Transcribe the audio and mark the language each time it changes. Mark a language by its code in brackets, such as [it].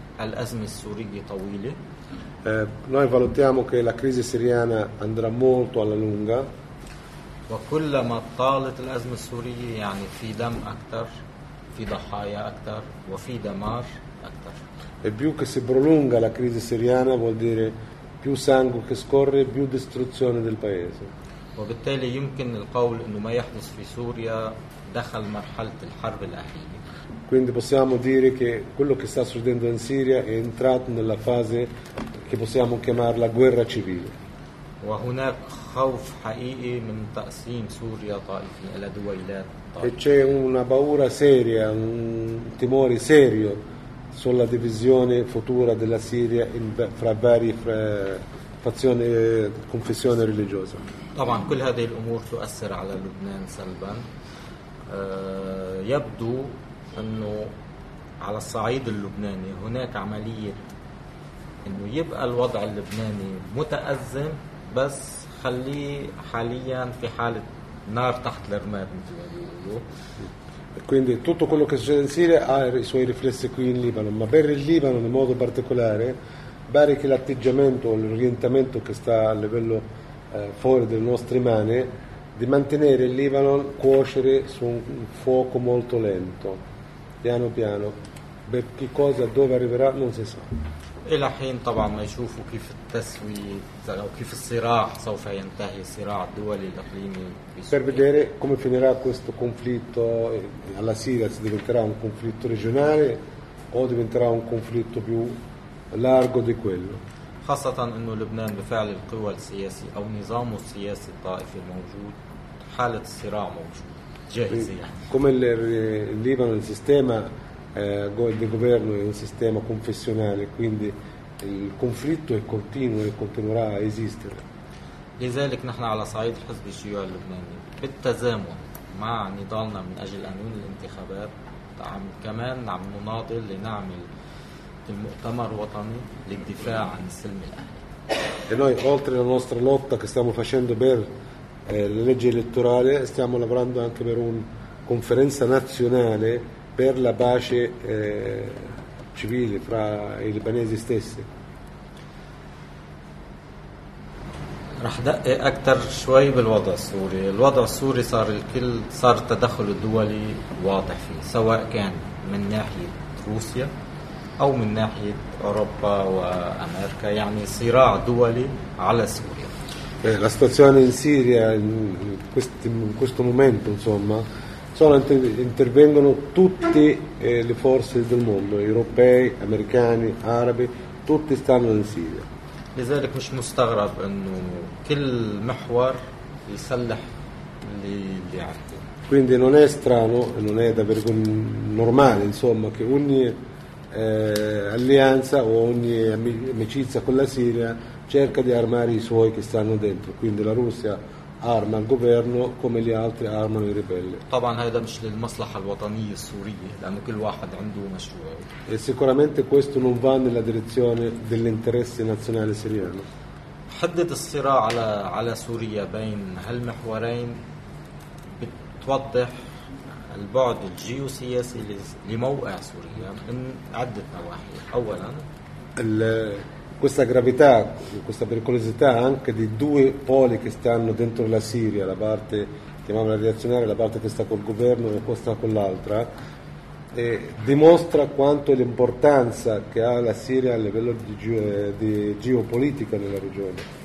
[it] Noi valutiamo che la crisi siriana andrà molto alla lunga. [ar] وكلما طالت الأزمة السورية يعني في دم أكثر في ضحايا أكثر وفي دمار أكثر. [it] E più che si prolunga la crisi siriana vuol dire più sangue che scorre, più distruzione del paese. [ar] وبالتالي يمكن القول إنه ما يحدث في سوريا دخل مرحلة الحرب الأهلية. [it] Quindi possiamo dire che quello che sta succedendo in Siria è entrato nella fase che possiamo chiamarla guerra civile. [ar] وهناك خوف حقيقي من تقسيم سوريا طائفي إلى دويلات. [it] E c'è una paura seria, un timore serio sulla divisione futura della Siria in, fra varie fazioni confessione religiosa. [ar] طبعاً كل هذه الأمور تؤثر على لبنان سلباً. يبدو أنه على الصعيد اللبناني هناك عملية إنه يبقى الوضع اللبناني متأزم بس خليه حالياً في حالة نار تحت الرماد مثل ما بيقولوا. [it] E quindi tutto quello che succede in Siria ha i suoi riflessi qui in Libano, ma per il Libano in modo particolare pare che l'atteggiamento o l'orientamento che sta a livello fuori delle nostre mani di mantenere il Libano cuocere su un fuoco molto lento, piano piano, per che cosa, dove arriverà non si sa. E la [ar] حين طبعا ما يشوفوا كيف التسوية أو كيف الصراع سوف ينتهي الصراع الدولي الإقليمي. [it] Per vedere come finirà questo conflitto alla Siria, se diventerà un conflitto regionale o diventerà un conflitto più largo di quello. [ar] خاصة إنه لبنان بفعل القوى السياسية أو نظامه السياسي الطائفي الموجود حالة الصراع موجود جاهزة. [it] Come il Libano il sistema del governo è un sistema confessionale, quindi il conflitto è continuo e continuerà a esistere. [ar] لذلك نحن على صعيد الحزب الشيوعي اللبناني بالتزامن مع نضالنا من اجل قانون الانتخابات عم نناضل لنعمل المؤتمر الوطني للدفاع عن السلم الاهلي. [it] E noi oltre la nostra lotta che stiamo facendo per la legge elettorale stiamo lavorando anche per una conferenza nazionale per la pace civile fra i libanesi stessi. [ar] راح دقق أكثر شوي بالوضع السوري. الوضع السوري صار الكل صار التدخل الدولي واضح فيه سواء كان من ناحية روسيا أو من ناحية أوروبا وأمريكا, يعني صراع دولي على سوريا. [it] La situazione in Siria in questo momento insomma sono intervengono tutte le forze del mondo, europei, americani, arabi, tutti stanno in Siria. [ar] لذلك مش مستغرب انه كل محور يسلح اللي عنده. [it] Quindi non è strano, non è davvero normale, insomma, che ogni alleanza o ogni amicizia con la Siria cerca di armare i suoi che stanno dentro. Quindi la Russia arma il governo come gli altri armano i ribelli. [ar] طبعا هذا مش للمصلحه الوطنيه السوريه لانه كل واحد عنده مشروع. [it] E sicuramente questo non va nella direzione dell'interesse nazionale siriano. [ar] حدد الصراع على سوريا بين هالمحورين بتوضح البعد الجيوسياسي لموقع سوريا من عدة نواحي. أولا [it] questa gravità, questa pericolosità anche di due poli che stanno dentro la Siria, la parte chiamiamola reazionaria, la parte che sta col governo e questa sta con l'altra, dimostra quanto l'importanza che ha la Siria a livello di geopolitica nella regione.